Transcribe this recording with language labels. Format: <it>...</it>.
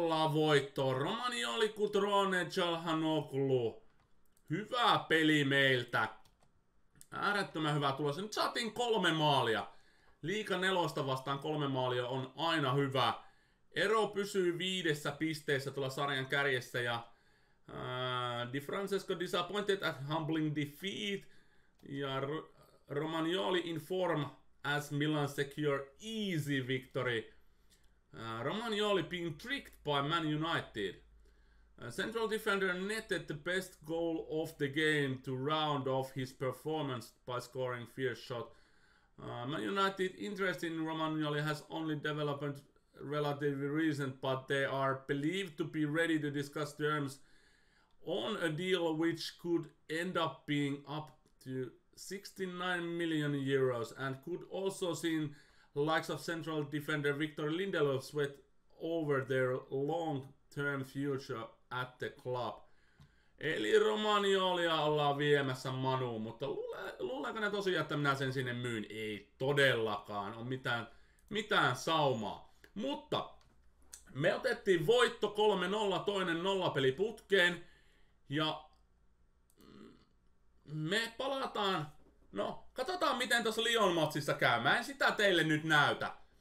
<fi>3-0 voitto. Romagnoli, Cutrone, Calhanoglu. Hyvä peli meiltä. Äärettömän hyvä tulos. Nyt saatiin 3 maalia. Liiga nelosta vastaan 3 maalia on aina hyvä. Ero pysyy 5 pisteessä tuolla sarjan kärjessä.</fi> <en>Ja Di Francesco disappointed at humbling defeat. Ja Romagnoli in form as Milan secure easy victory. Romagnoli being tricked by Man United. Central defender netted the best goal of the game to round off his performance by scoring fierce shot. Man United interest in Romagnoli has only developed relatively recent, but they are believed to be ready to discuss terms on a deal which could end up being up to 69 million euros and could also see likes of central defender Victor Lindelof sweat over their long-term future at the club.</en> <fi>Eli Romagnolia ollaan viemässä Manuun, mutta luuleeko ne tosiaan, että minä sen sinne myyn? Ei todellakaan, on mitään saumaa. Mutta me otettiin voitto 3-0, toinen nollapeli putkeen, ja me palataan, no katsotaan miten tuossa Lyon-matsissa käy, mä en sitä teille nyt näytä.</fi>